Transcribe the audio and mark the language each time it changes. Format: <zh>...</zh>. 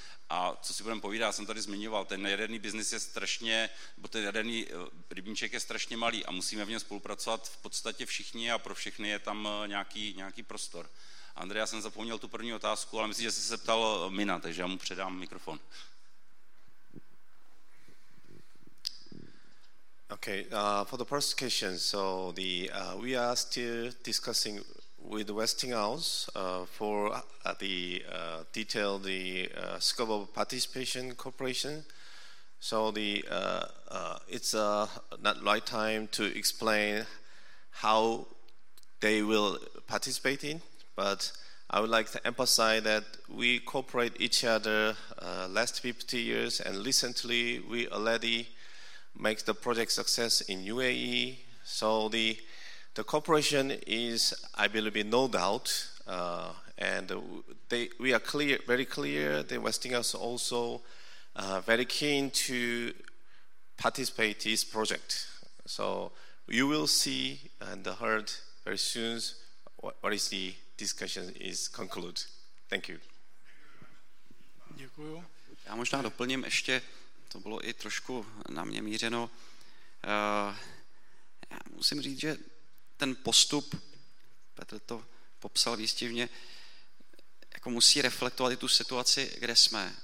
<cs>A co si budeme povídat, já jsem tady zmiňoval, ten jaderný biznis je strašně, bo ten jaderný rybníček je strašně malý a musíme v něm spolupracovat v podstatě všichni a pro všechny je tam nějaký prostor. Andrej, já jsem zapomněl tu první otázku, ale myslím, že jsi se ptal Mina, takže já mu předám mikrofon.</cs> <en>Okay, for the first question, so the we are still discussing with Westinghouse for the detailed scope of participation cooperation. So the it's not right time to explain how they will participate in, but I would like to emphasize that we cooperate each other last 50 years, and recently we already make the project success in UAE. So the cooperation is, I believe, no doubt, and they, we are clear, very clear. The Westinghouse also very keen to participate in this project. So you will see and heard very soon what is the discussion is concluded. Thank you.</en> <cs>Děkuju. Já možná doplním ještě, to bylo i trošku na mě mířeno. Já musím říct, že ten postup, Petr to popsal výstižně, jako musí reflektovat i tu situaci, kde jsme.</cs>